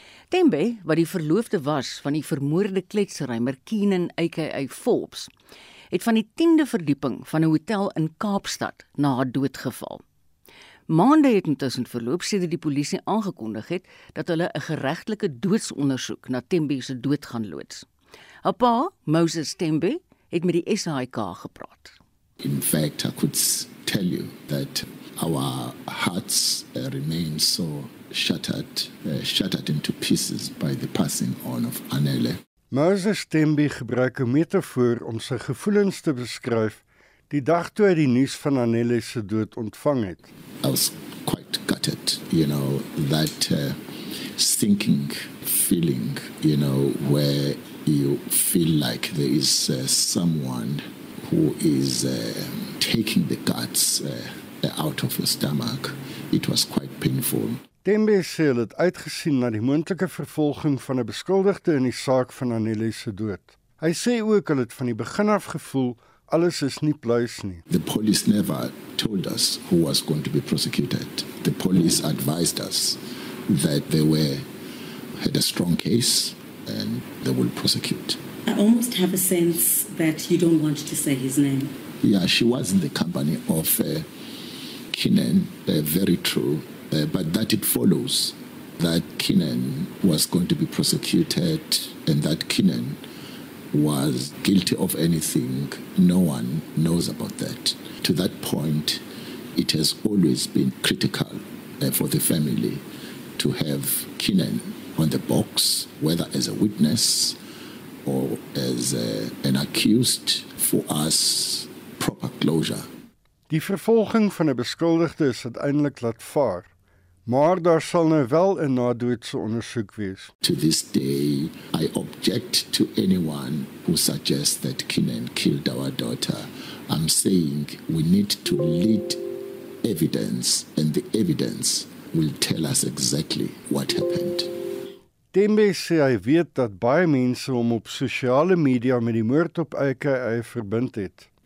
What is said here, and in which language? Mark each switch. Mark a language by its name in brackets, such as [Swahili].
[Afrikaans] Tembe, wat die verloofde was van die vermoorde kletsrymer Keenan aka Forbes, het van die 10de verdieping van 'n hotel in Kaapstad na haar dood geval. Maande het intussen verloop sedert die polisie aangekondig het dat hulle 'n geregtelike doodsondersoek na Tembe se dood gaan loods. Haar pa, Moses Tembe, het met die SAIK gepraat. [English] In fact, I could tell you that our hearts remain so shattered into pieces by the passing on of Anele. [Afrikaans] Moses Tembe gebruik 'n metafoor om sy gevoelens te beskryf die dag toe hy die nuus van Anele se dood ontvang het. [English] I was quite gutted, you know, that sinking feeling, you know, where you feel like there is someone who is taking the guts out of your stomach. It was quite painful. [Afrikaans] Tembe sê hulle het uitgesien na die moontlike vervolging van 'n beskuldigde in die saak van Anele se dood. Hy sê ook hulle het van die begin af gevoel alles is nie pluis nie. [English] The police never told us who was going to be prosecuted. The police advised us that they had a strong case and they will prosecute. I almost have a sense that you don't want to say his name. Yeah, she was in the company of Keenan, very true. But that it follows that Keenan was going to be prosecuted and that Keenan was guilty of anything, no one knows about that. To that point, it has always been critical for the family to have Keenan on the box, whether as a witness or as an accused, for us proper closure. [Afrikaans] Die vervolging van 'n beskuldigde is uiteindelik laat vaar. Maar daar sal nou wel 'n nadoetse ondersoek wees. [English] To this day, I object to anyone who suggests that Keenan killed our daughter. I'm saying we need to lead evidence and the evidence will tell us exactly what happened. [Afrikaans] Tembe sê hy weet dat baie mense hom op sosiale media met die moord op AKA verbind het.